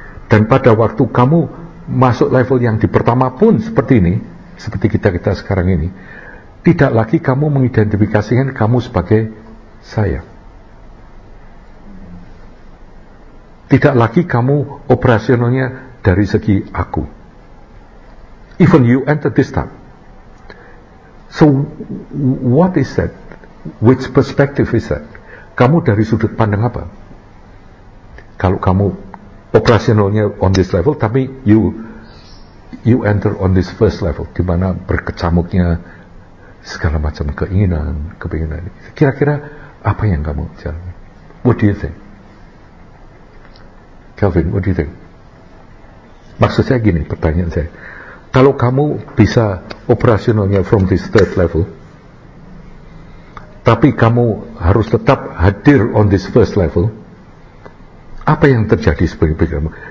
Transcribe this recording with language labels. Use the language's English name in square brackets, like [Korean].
[Indonesian] Dan pada waktu kamu masuk level yang di pertama pun seperti ini, seperti kita-kita sekarang ini, tidak lagi kamu mengidentifikasikan kamu sebagai saya. Tidak lagi kamu operasionalnya dari segi aku. [English] Even you enter this time. So what is that? Which perspective is that? [Indonesian] Kamu dari sudut pandang apa? Kalau kamu operasionalnya [English] on this level, [Indonesian] tapi [English] you enter on this first level, [Indonesian] di mana berkecamuknya segala macam keinginan, kepinginan. Kira-kira apa yang kamu jalani? [English] What do you think? Kelvin, what do you think? [Indonesian] Maksud saya gini, pertanyaan saya. Kalau kamu bisa operasionalnya [English] from this third level, [Indonesian] tapi kamu harus tetap hadir [English] on this first level, [Indonesian] apa yang terjadi sebenarnya kamu?